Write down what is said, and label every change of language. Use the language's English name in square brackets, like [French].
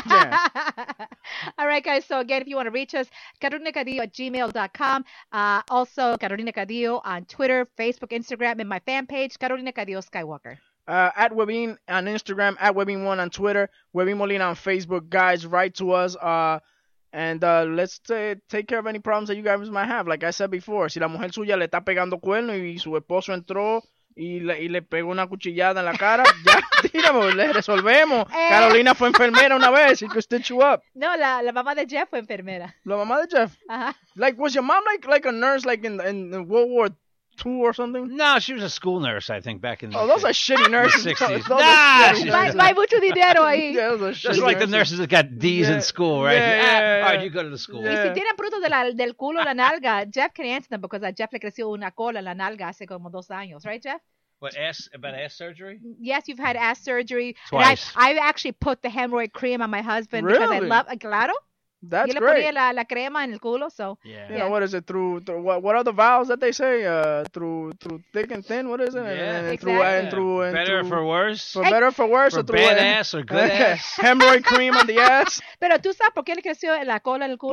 [English] Yeah. All right, guys. So, again, if you want to reach us, carolinacadillo@gmail.com. Also, Carolina Cadillo on Twitter, Facebook, Instagram, and my fan page, Carolina Cadillo Skywalker. At Webin on Instagram, at Webin1 on Twitter, Webin Molina on Facebook. Guys, write to us. Let's take care of any problems that you guys might have. Like I said before, [Spanish] si la mujer suya le está pegando cuerno y su esposo entró y le pegó una cuchillada en la cara, ya, tíramo, le resolvemos. Carolina fue enfermera una vez. [English] She could stitch you up. [Spanish] No, la mamá de Jeff fue enfermera. La mamá de Jeff? Uh-huh. [English] Like, was your mom like a nurse like in World War II? Two or something? No, she was a school nurse, I think, back in the 60s. Oh, those are shitty nurses. '60s. [Spanish] By mucho dinero ahí. [English] Yeah, just like the nurses that got D's in school, right? Yeah. All right, you go to the school. [Spanish] Y si tiene bruto del culo la nalga, [English] Jeff can answer them because [Spanish] Jeff le creció una cola en la nalga hace como 2 años, [English] right, [Spanish] Jeff? [English] About ass surgery? Yes, you've had ass surgery. Twice. And I actually put the hemorrhoid cream on my husband. Really? Because I love, [Spanish] claro. [English] That's [Spanish] yo [English] great. [Spanish] Le ponía la crema en el culo, so. [English] Yeah. You know, what is it? What are the vowels that they say? Through thick and thin? What is it? Yeah. Better or for worse? For bad ass or good ass? Hemorrhoid cream on the ass? [Spanish] Pero tú sabes por qué le creció la cola en el culo?